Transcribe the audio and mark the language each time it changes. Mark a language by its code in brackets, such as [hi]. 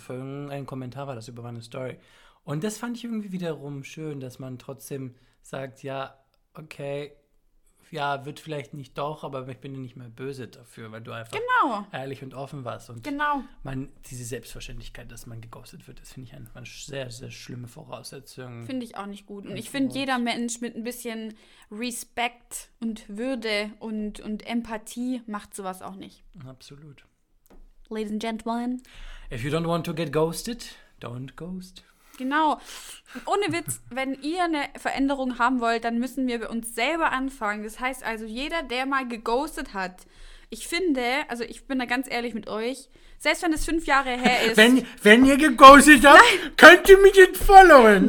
[de] Ein Kommentar war das über meine Story. Und das fand ich irgendwie wiederum schön, dass man trotzdem sagt, ja, okay, ja, wird vielleicht nicht doch, aber ich bin nicht mehr böse dafür, weil du einfach ehrlich und offen warst. Und diese Selbstverständlichkeit, dass man geghostet wird, das finde ich einfach eine sehr, sehr schlimme Voraussetzung. Finde ich auch nicht gut. Und ich finde, jeder Mensch mit ein bisschen Respekt und Würde und Empathie macht sowas auch nicht. Absolut. [en] Ladies and gentlemen, if you don't want to get ghosted, don't ghost. [de] Genau. Ohne Witz, wenn ihr eine Veränderung haben wollt, dann müssen wir bei uns selber anfangen. Das heißt also, jeder, der mal geghostet hat, ich finde, also ich bin da ganz ehrlich mit euch, selbst wenn es 5 Jahre her ist. Wenn ihr geghostet habt, könnt ihr mich jetzt followen.